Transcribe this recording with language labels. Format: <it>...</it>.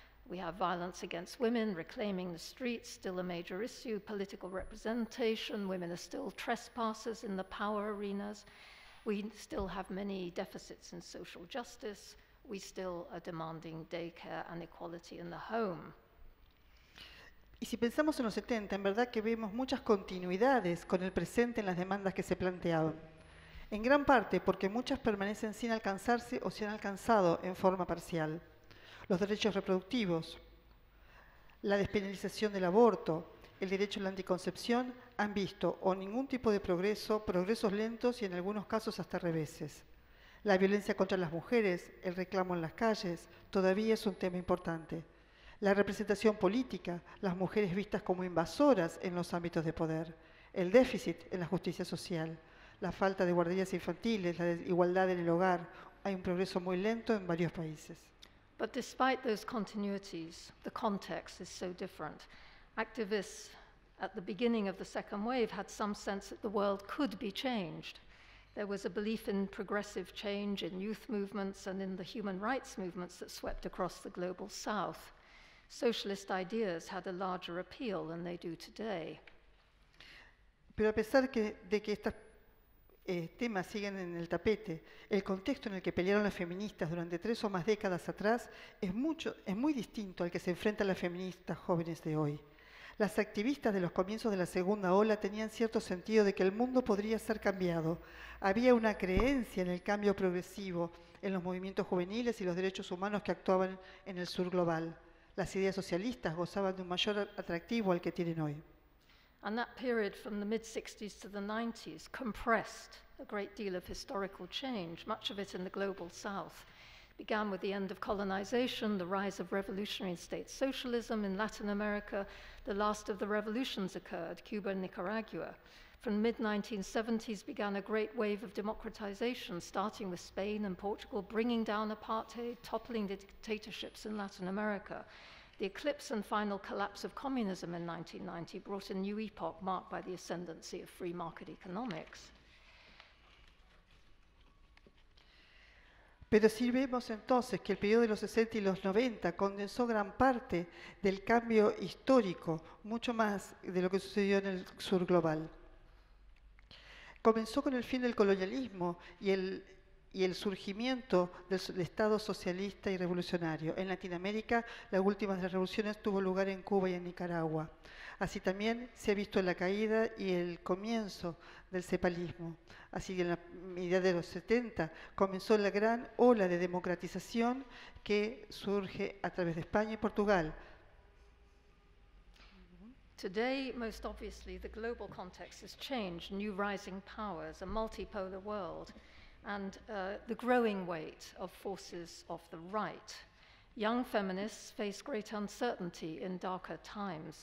<en>We have violence against women, reclaiming the streets, still a major issue, political representation, women are still trespassers in the power arenas. We still have many deficits in social justice. We still are demanding daycare and equality in the home.</en> <es>Y si pensamos en los 70, en verdad que vemos muchas continuidades con el presente en las demandas que se planteaban. En gran parte porque muchas permanecen sin alcanzarse o se han alcanzado en forma parcial. Los derechos reproductivos, la despenalización del aborto, el derecho a la anticoncepción han visto o ningún tipo de progreso, progresos lentos y en algunos casos hasta reveses. La violencia contra las mujeres, el reclamo en las calles, todavía es un tema importante. La representación política, las mujeres vistas como invasoras en los ámbitos de poder, el déficit en la justicia social, la falta de guarderías infantiles, la desigualdad en el hogar, hay un progreso muy lento en varios países.</es> <en>But despite those continuities, the context is so different. Activists at the beginning of the second wave had some sense that the world could be changed. There was a belief in progressive change in youth movements and in the human rights movements that swept across the global south. Socialist ideas had a larger appeal than they do today.</en> <es>Pero a pesar de que estas temas siguen en el tapete, el contexto en el que pelearon las feministas durante tres o más décadas atrás es muy distinto al que se enfrentan las feministas jóvenes de hoy. Las activistas de los comienzos de la segunda ola tenían cierto sentido de que el mundo podría ser cambiado. Había una creencia en el cambio progresivo en los movimientos juveniles y los derechos humanos que actuaban en el sur global. Las ideas socialistas gozaban de un mayor atractivo al que tienen hoy.</es> <en>And that period from the mid-60s to the 90s compressed a great deal of historical change, much of it in the global south. began with the end of colonization, the rise of revolutionary state socialism in Latin America. The last of the revolutions occurred, Cuba and Nicaragua. From the mid-1970s began a great wave of democratization, starting with Spain and Portugal, bringing down apartheid, toppling the dictatorships in Latin America. The eclipse and final collapse of communism in 1990 brought a new epoch marked by the ascendancy of free market economics.</en> <es>Pero si vemos entonces que el periodo de los 60 y los 90 condensó gran parte del cambio histórico, mucho más de lo que sucedió en el sur global. Comenzó con el fin del colonialismo y el surgimiento del Estado socialista y revolucionario. En Latinoamérica, la última de las revoluciones tuvo lugar en Cuba y en Nicaragua. Así también se ha visto la caída y el comienzo del cepalismo. Así que en la mitad de los 70 comenzó la gran ola de democratización que surge a través de España y Portugal.</es> <en>Today, most obviously, the global context has changed, new rising powers, a multipolar world, and the growing weight of forces of the right. Young feminists face great uncertainty in darker times.</en>